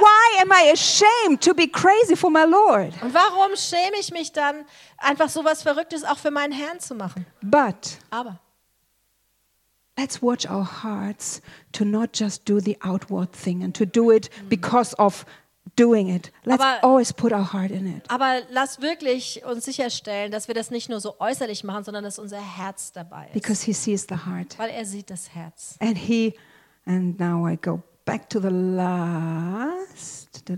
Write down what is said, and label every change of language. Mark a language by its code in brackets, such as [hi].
[en] Why am I ashamed to be crazy for my Lord? [de] Und warum schäme ich mich dann, einfach sowas Verrücktes auch für meinen Herrn zu machen? [en] But. [de] Aber. [en] Let's watch our hearts to not just do the outward thing and to do it because of doing it. Let's always put our heart in it. [de] Aber lass wirklich uns sicherstellen, dass wir das nicht nur so äußerlich machen, sondern dass unser Herz dabei ist. [en] Because he sees the heart. [de] Weil er sieht das Herz. [en] And now I go back to the last.